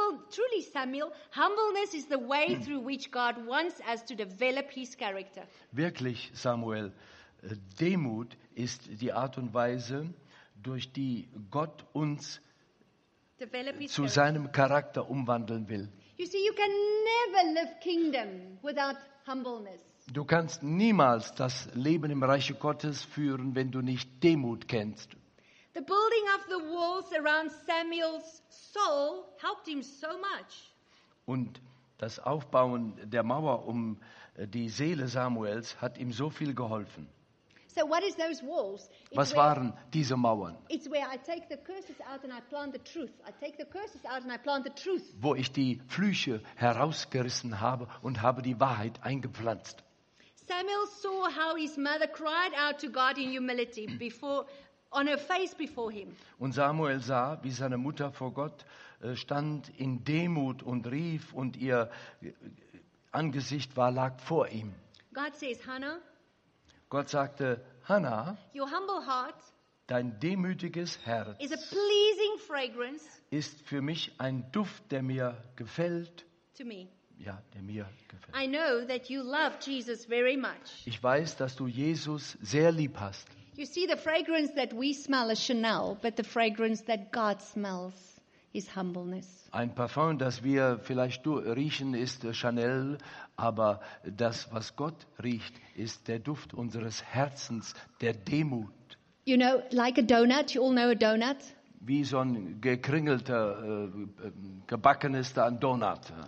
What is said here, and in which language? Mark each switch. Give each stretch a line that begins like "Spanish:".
English: Truly Samuel, humbleness is the way through which God wants us to develop his character.
German: Wirklich, Samuel, Demut ist die Art und Weise, durch die Gott uns zu seinem Charakter umwandeln will.
English: You see, you can never live kingdom without humbleness.
German: Du kannst niemals das Leben im Reiche Gottes führen, wenn du nicht Demut kennst.
English: The building of the walls around Samuel's soul helped him so much.
German: Und das Aufbauen der Mauer die Seele Samuels hat ihm so viel geholfen.
English: So what is those walls?
German: Was waren diese Mauern?
English: It's where I take the curses out and I plant the truth. I take the curses out and I plant the truth.
German: Wo ich die Flüche herausgerissen habe und habe die Wahrheit eingepflanzt.
English: Samuel saw how his mother cried out to God in humility before on her face before him.
German: Und Samuel sah, wie seine Mutter vor Gott stand in Demut und rief und ihr Angesicht lag vor ihm.
English: God says, Hannah.
German: Gott sagte, Hannah,
English: your humble heart,
German: dein demütiges Herz,
English: is a pleasing fragrance,
German: ist für mich ein Duft, der mir gefällt.
English: To me.
German: Ja, der mir gefällt.
English: I know that you love Jesus very much.
German: Ich weiß, dass du Jesus sehr lieb hast.
English: You see, the fragrance that we smell is Chanel, but the fragrance that God smells is humbleness.
German: Ein Parfum, das wir vielleicht riechen, ist Chanel, aber das, was Gott riecht, ist der Duft unseres Herzens, der Demut.
English: You know, like a donut, you all know a donut?
German: Wie so ein gekringelter, gebackenes Donut.